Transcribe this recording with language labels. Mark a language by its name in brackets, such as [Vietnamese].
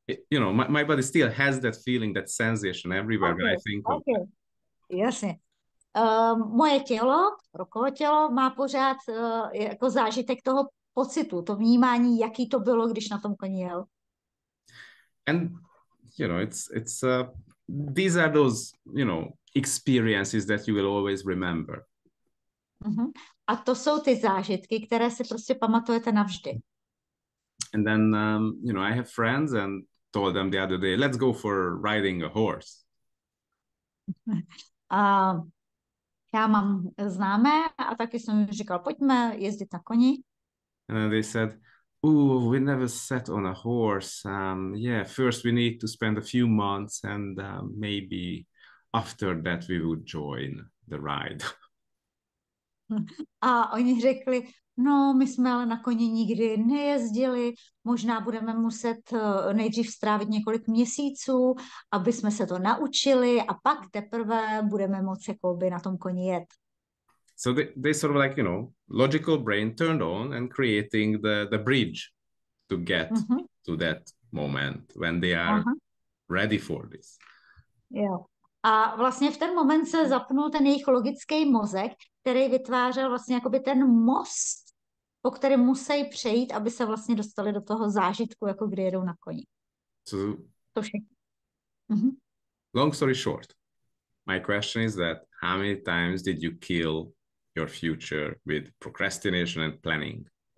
[English] You know, my body still has that feeling, that sensation everywhere when I think of it. [Czech] Jasně. Moje tělo, rokové tělo, má pořád jako zážitek toho pocitu, to vnímání, jaký to bylo, když na tom koni jel. [English] And, you know, it's these are those, you know, experiences that you will always remember. Mm-hmm. [Czech] A to jsou ty zážitky, které si prostě pamatujete navždy. [English] And then, you know, I have friends and told them the other day, let's go for riding a horse. [Czech] Já mám známé a taky jsem říkal, pojďme jezdit na koni. [English] And then they said, oh, we never sat on a horse. Yeah, first we need to spend a few months and maybe after that we would join the ride. [Czech] A oni řekli, no, my jsme ale na koni nikdy nejezdili, možná budeme muset nejdřív strávit několik měsíců, aby jsme se to naučili a pak teprve budeme moci jakoby na tom koni jet. [English] So they sort of like, you know, logical brain turned on and creating the bridge to get to that moment when they are ready for this. [Czech] Jo. A vlastně v ten moment se zapnul ten jejich logický mozek, který vytvářel vlastně jakoby ten most, po kterém musí přejít, aby se vlastně dostali do toho zážitku, jako kdy jedou na koni. [English] So, [Czech] to všechno. [English] Long story short, my question is that how many times did you kill your future with procrastination and planning?